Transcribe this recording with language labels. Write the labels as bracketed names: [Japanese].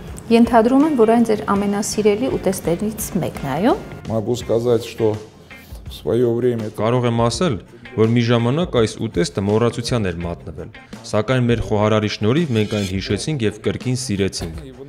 [Armenian] Ենթադրում եմ, որ այն ձեր ամենասիրելի ուտեստներից մեկն է, այո։ [Russian] Могу сказать, что в своё время [Armenian] Կարող եմ ասել, որ մի ժամանակ այս ուտեստը մոռացության էր մատնվել, սակայն մեր խոհարարի շնորհիվ մենք այն հիշեցինք եւ կրկին սիրեցինք։